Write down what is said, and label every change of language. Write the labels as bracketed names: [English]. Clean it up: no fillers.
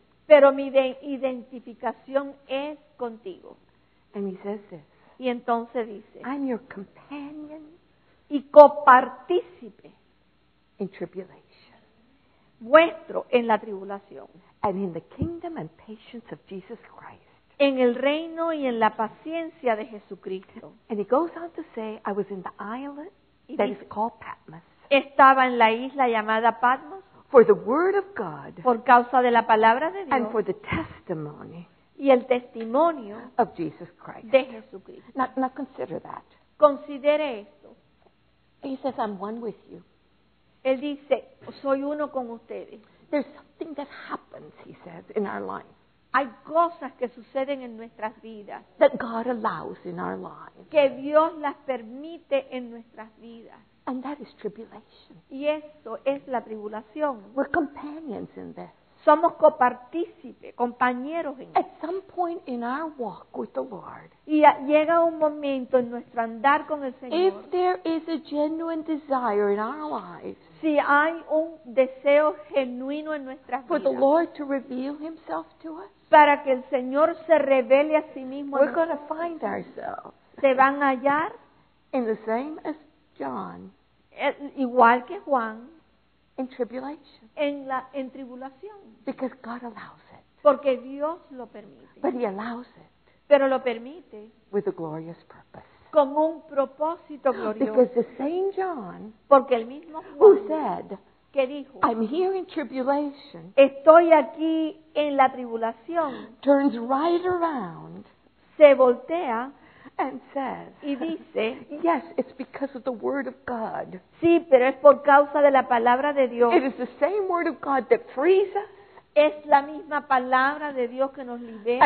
[Spanish] Pero mi identificación es contigo. [English] And he says this. [Spanish] Y entonces dice. [English] I'm your companion. [Spanish] Y copartícipe. [English] In tribulation. [Spanish] Vuestro en la tribulación. [English] And in the kingdom and patience of Jesus Christ. [Spanish] En el reino y en la paciencia de Jesucristo. [English] And he goes on to say, I was in the island that is called Patmos. [Spanish] Estaba en la isla llamada Patmos. [English] For the word of God. [Spanish] Por causa de la palabra de Dios. [English] And for the testimony. [Spanish] Y el testimonio. [English] Of Jesus Christ. [Spanish] De Jesucristo. [English] Now consider that. [Spanish] Considere esto. [English] He says, I'm one with you. [Spanish] Él dice, soy uno con ustedes. [English] There's something that happens, he says, in our life. [Spanish] Hay cosas que suceden en nuestras vidas. [English] That God allows in our lives. [Spanish] Que Dios las permite en nuestras vidas. [English] And that is tribulation. [Spanish] Y eso es la tribulación. [English] We're companions in this. [Spanish] Somos copartícipes, compañeros en esto. [English] At some point in our walk with the Lord. [Spanish] Y llega un momento en nuestro andar con el Señor. [English] If there is a genuine desire in our lives. [Spanish] Si hay un deseo genuino en nuestras vidas. [English] For the Lord to reveal himself to us. [Spanish] Para que el Señor se revele a sí mismo. [English] We're going to find ourselves. [Spanish] Se van a hallar. [English] In the same as John. [Spanish] Igual que Juan. [English] In tribulation. [Spanish] En tribulación. [English] Because God allows it. [Spanish] Porque Dios lo permite. [English] But he allows it. [Spanish] Pero lo permite. [English] With a glorious purpose. [Spanish] Con un propósito glorioso. [English] Because the same John. [Spanish] Porque el mismo Juan. [English] Who said. [Spanish] que dijo, [English] I'm here in tribulation. [Spanish] Estoy aquí en la tribulación. [English] Turns right around. [Spanish] Se voltea. [English] And says, [Spanish] y dice, [English] yes, it's because of the word of God. [Spanish] Sí, pero es por causa de la palabra de Dios. [English] It is the same word of God that frees us. [Spanish] Es la misma palabra de Dios que nos libera.